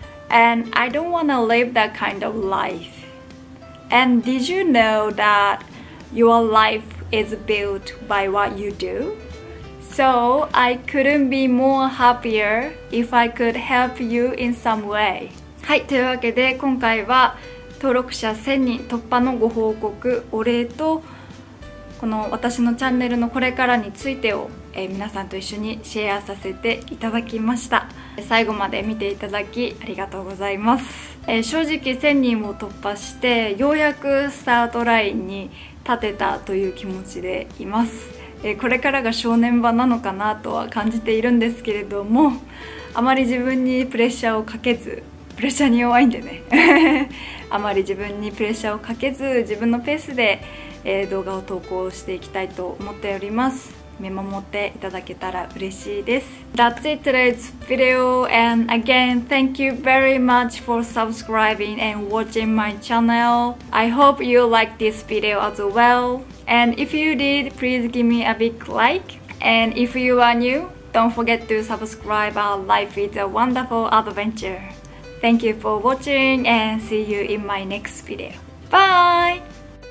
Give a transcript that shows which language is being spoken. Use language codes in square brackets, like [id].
[en] And I don't want to live that kind of life. And did you know that your life is built by what you do? So I couldn't be more happier if I could help you in some way. [ja] はい、というわけで今回は登録者1000人突破のご報告、お礼とこの私のチャンネルのこれからについてを皆さんと一緒にシェアさせていただきました。最後まで見ていただきありがとうございます。正直1000人を突破してようやくスタートラインに立てたという気持ちでいます。これからが正念場なのかなとは感じているんですけれども、あまり自分にプレッシャーをかけず、プレッシャーに弱いんでねあまり自分にプレッシャーをかけず自分のペースで動画を投稿していきたいと思っております。見守っていただけたら嬉しいです。 [en] That's it today's video. And again, thank you very much for subscribing and watching my channel. I hope you like this video as well. And if you did, please give me a big like. And if you are new, don't forget to subscribe. Our life is a wonderful adventure. Thank you for watching and see you in my next video. Bye!